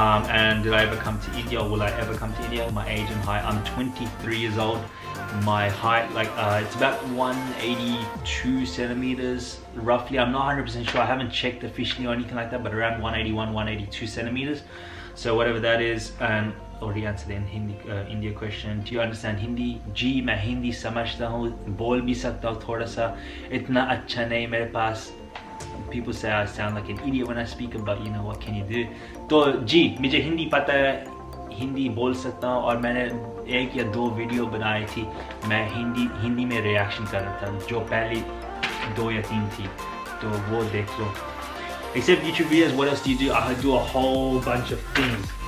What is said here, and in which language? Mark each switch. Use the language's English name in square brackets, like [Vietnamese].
[English] And did I ever come to India, or will I ever come to India? My age and height, I'm 23 years old. My height, like, it's about 182 centimeters, roughly. I'm not 100% sure. I haven't checked officially or anything like that, but around 181, 182 centimeters. So whatever that is, and already answered in Hindi, India question. Do you understand Hindi? [Hindi] जी, मैं हिंदी समझता हूँ, बोल भी सकता हूँ थोड़ा सा. इतना अच्छा नहीं मेरे पास. [English] People say I sound like an idiot when I speak, but you know, what can you do? [Hindi] So, जी, मुझे हिंदी पता है, हिंदी बोल सकता हूँ, और मैंने एक या दो video बनाये थी, मैं हिंदी में reaction कर रहा था, जो पहली दो या तीन थी, तो वो देख लो. [English] Except YouTube videos, what else do? I do a whole bunch of things.